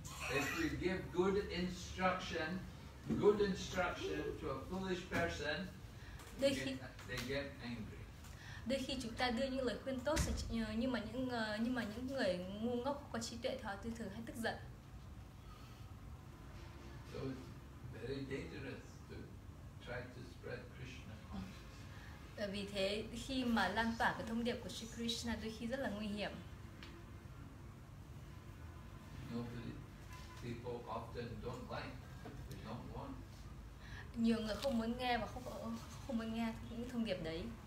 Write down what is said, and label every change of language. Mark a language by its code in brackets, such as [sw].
[en] If we give good instruction to a foolish person, they get angry. [vi] đôi khi chúng ta đưa những lời khuyên tốt nhưng mà những người ngu ngốc có trí tuệ thì họ tư thường hay tức giận. [en] So it's very dangerous to try to spread Krishna consciousness. [vi] Vì thế khi mà lan tỏa cái thông điệp của Sri Krishna đôi khi rất là nguy hiểm. [en] People often don't like, they don't want. [vi] Nhiều người không muốn nghe và không muốn nghe những thông điệp đấy.